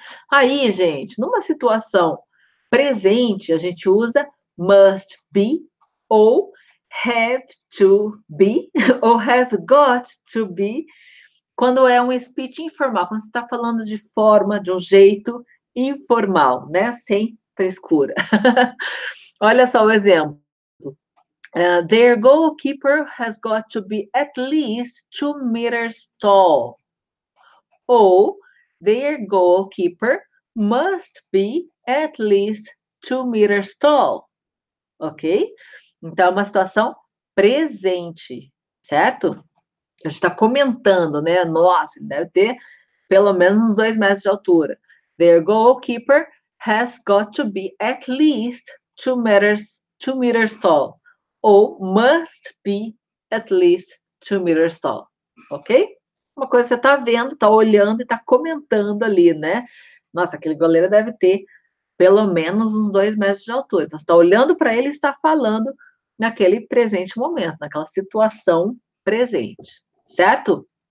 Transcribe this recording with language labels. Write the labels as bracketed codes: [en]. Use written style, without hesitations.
[pt] Aí, gente, numa situação presente, a gente usa must be ou have to be ou have got to be quando é um speech informal, quando você está falando de forma, de um jeito informal, né? Sem frescura. Olha só o exemplo. [en] Their goalkeeper has got to be at least 2 meters tall. [pt] Ou [en] their goalkeeper must be at least 2 meters tall. [pt] Ok? Então, é uma situação presente, certo? A gente está comentando, né? Nossa, deve ter pelo menos uns 2 metros de altura. [en] Their goalkeeper has got to be at least 2 meters tall. [pt] Ou [en] must be at least 2 meters tall. Ok? [pt] Uma coisa que você está vendo, está olhando e está comentando ali, né? Nossa, aquele goleiro deve ter pelo menos uns 2 metros de altura. Então, você está olhando para ele e está falando naquele presente momento, naquela situação presente, certo?